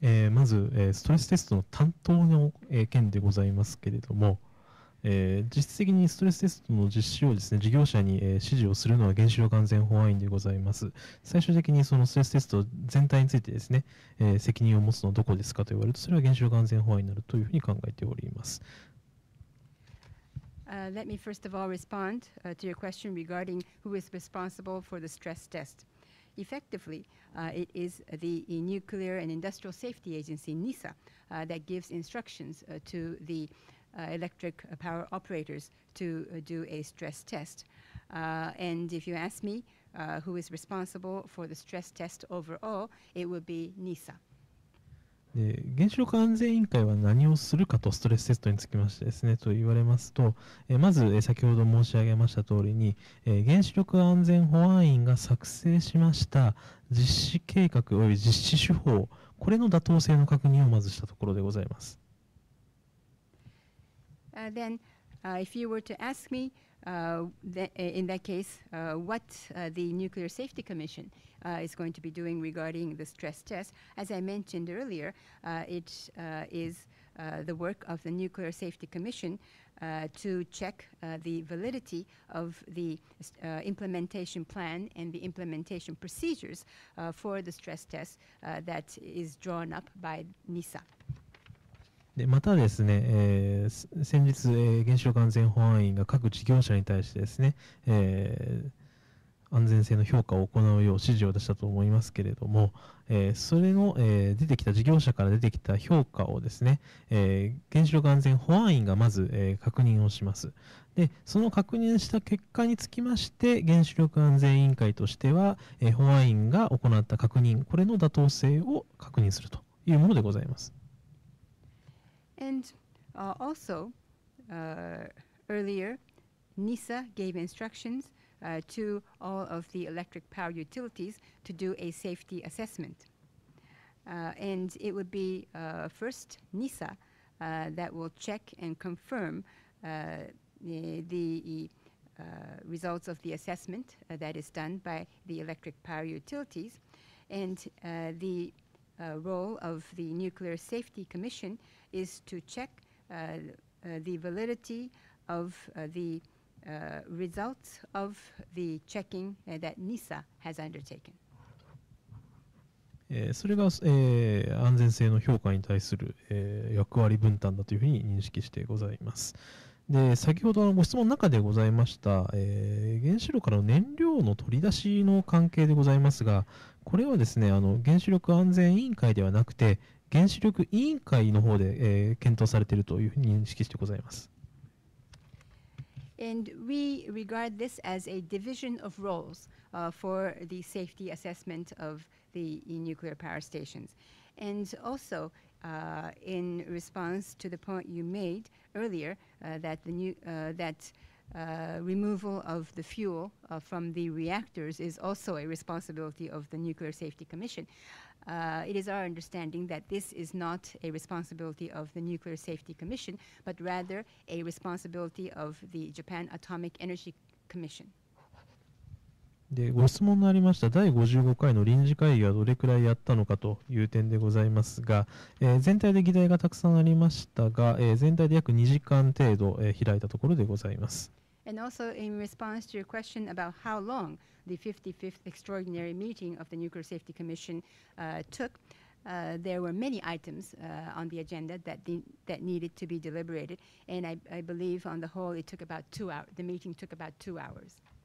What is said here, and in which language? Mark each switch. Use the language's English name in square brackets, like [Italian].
[Japanese] まずストレステストの担当の件でございますけれども、実質的にストレステストの実施をですね事業者に指示をするのは原子力安全保安院でございます。最終的にそのストレステスト全体についてですね責任を持つのはどこですかと言われると、それは原子力安全保安院になるというふうに考えております。 [English] Let me first of all respond to your question regarding who is responsible for the stress test. Effectively, it is the Nuclear and Industrial Safety Agency, NISA, that gives instructions to the electric power operators to do a stress test. And if you ask me who is responsible for the stress test overall, it would be NISA. [Japanese] で原子力安全委員会は何をするかとストレステストにつきましてですねと言われますと、まず先ほど申し上げました通りに、原子力安全保安院が作成しました実施計画及び実施手法、これの妥当性の確認をまずしたところでございます。 [English] Then, if you were to ask me, in that case, what the Nuclear Safety Commission is going to be doing regarding the stress test. As I mentioned earlier, it is the work of the Nuclear Safety Commission to check the validity of the implementation plan and the implementation procedures for the stress test that is drawn up by NISA. [Japanese] でまたですね、先日、原子力安全保安院が各事業者に対してですね、安全性の評価を行うよう指示を出したと思いますけれども、それの、出てきた事業者から出てきた評価をですね、原子力安全保安院がまず、確認をします。でその確認した結果につきまして原子力安全委員会としては、保安院が行った確認、これの妥当性を確認するというものでございます。 [English] And also, earlier, NISA gave instructions to all of the electric power utilities to do a safety assessment. And it would be first NISA that will check and confirm the results of the assessment that is done by the electric power utilities. And the role of the Nuclear Safety Commission is to check the validity of the results of the checking that NISA has undertaken. [Japanese] それが、安全性の評価に対する、役割分担だというふうに認識してございます。で先ほどのご質問の中でございました、原子炉からの燃料の取り出しの関係でございますが、これはですね、原子力安全委員会ではなくて、原子力委員会の方で、検討されているというふうに認識してございます。 [English] And we regard this as a division of roles for the safety assessment of the nuclear power stations. And also, in response to the point you made earlier, that the new, that removal of the fuel from the reactors is also a responsibility of the Nuclear Safety Commission. It is our understanding that this is not a responsibility of the Nuclear Safety Commission, but rather a responsibility of the Japan Atomic Energy Commission. [Japanese] でご質問のありました第55回の臨時会議はどれくらいやったのかという点でございますが、全体で議題がたくさんありましたが、全体で約2時間程度、開いたところでございます。 [English] And also in response to your question about how long the 55th extraordinary meeting of the Nuclear Safety Commission took, there were many items on the agenda that needed to be deliberated, and I believe on the whole it took about the meeting took about 2 hours.